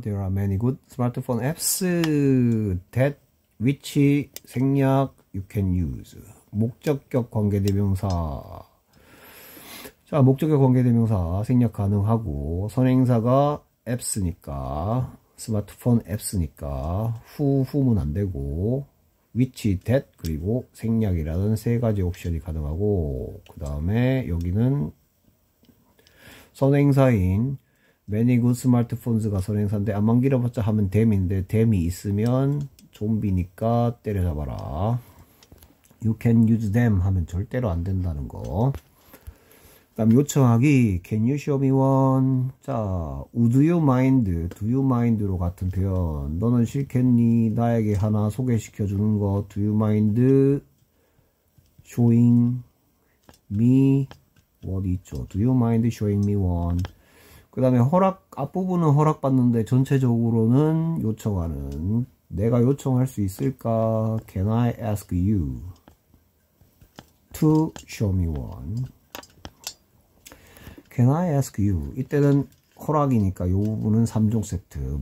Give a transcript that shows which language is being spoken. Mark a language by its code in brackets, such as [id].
[en] There are many good smartphone apps that which 생략 you can use. [ko] 목적격 관계대명사. 자, 목적격 관계대명사 생략 가능하고 선행사가 apps니까. 스마트폰 앱스니까 후문 안 되고 위치 댓 그리고 생략이라는 세 가지 옵션이 가능하고 그 다음에 여기는 선행사인 many good smartphones가 선행사인데 안만 길어봤자 하면 댐인데 댐이 있으면 좀비니까 때려잡아라. [en] You can use them [ko] 하면 절대로 안 된다는 거. 다음 요청하기 [en] can you show me one? [ko] 자, [en] would you mind? [ko] do you mind로 같은 표현. 너는 싫겠니? 나에게 하나 소개시켜 주는 거. [en] do you mind showing me what 있죠? do you mind showing me one? [ko] 그다음에 앞부분은 허락받는데 전체적으로는 요청하는. 내가 요청할 수 있을까? [en] Can I ask you to show me one? Can I ask you? [ko] 이때는 허락이니까 이 부분은 3종 세트.